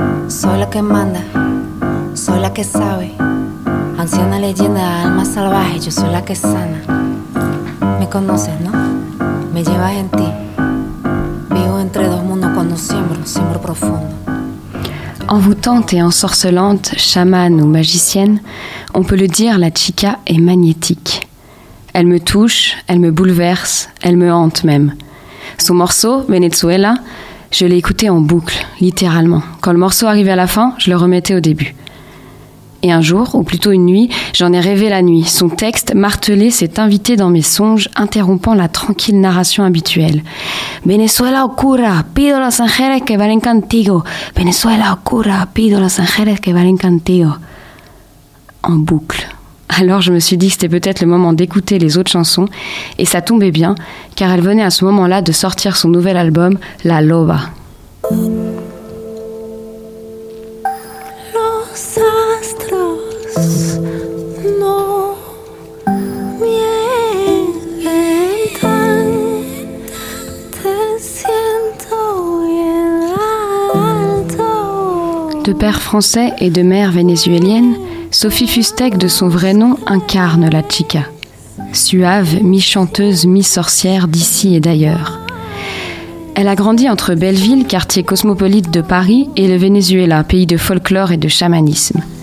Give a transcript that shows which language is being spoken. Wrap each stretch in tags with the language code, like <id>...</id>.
<es>Soy la que manda, soy la que sabe. Anciana leyenda, alma salvaje, yo soy la que sana. Me conoces, ¿no? Me llevas en ti. Vivo entre dos mundos cuando siembro, siembro profundo.</es> <fr>Envoûtante et ensorcelante, chamane ou magicienne, on peut le dire, la chica est magnétique. Elle me touche, elle me bouleverse, elle me hante même. Son morceau, Venezuela, je l'ai écouté en boucle, littéralement. Quand le morceau arrivait à la fin, je le remettais au début. Et un jour, ou plutôt une nuit, j'en ai rêvé la nuit. Son texte martelé s'est invité dans mes songes, interrompant la tranquille narration habituelle.</fr> <es>Venezuela oscura, pido a las ángeles que valen contigo. Venezuela oscura, pido a las ángeles que valen contigo.</es> <fr>En boucle. Alors je me suis dit que c'était peut-être le moment d'écouter les autres chansons, et ça tombait bien, car elle venait à ce moment-là de sortir son nouvel album, La Loba.</fr> <es>Los astros no mienten, te siento bien alto.</es> <fr>De père français et de mère vénézuélienne, Sophie Fustek, de son vrai nom, incarne la chica. Suave, mi-chanteuse, mi-sorcière d'ici et d'ailleurs. Elle a grandi entre Belleville, quartier cosmopolite de Paris, et le Venezuela, pays de folklore et de chamanisme.</fr>